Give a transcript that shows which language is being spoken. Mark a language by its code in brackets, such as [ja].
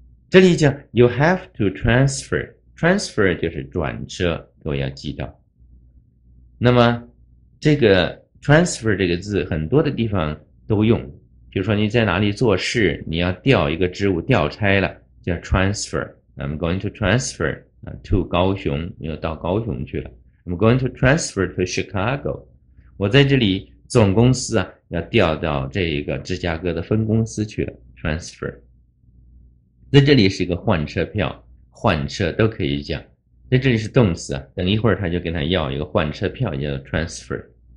[zh] 这里讲 [en] you have to transfer [zh] 就是转车，各位要记到。那么这个 transfer 这个字很多的地方都用，比如说你在哪里做事，你要调一个职务，调差了叫 transfer。 [en] I'm going to transfer to 高雄， [zh] 要到高雄去了。 [en] I'm going to transfer to Chicago。 [zh] 我在这里总公司啊，要调到这个芝加哥的分公司去了 ，transfer。在这里是一个换车票，换车都可以讲。在这里是动词啊，等一会儿他就跟他要一个换车票，叫做 transfer。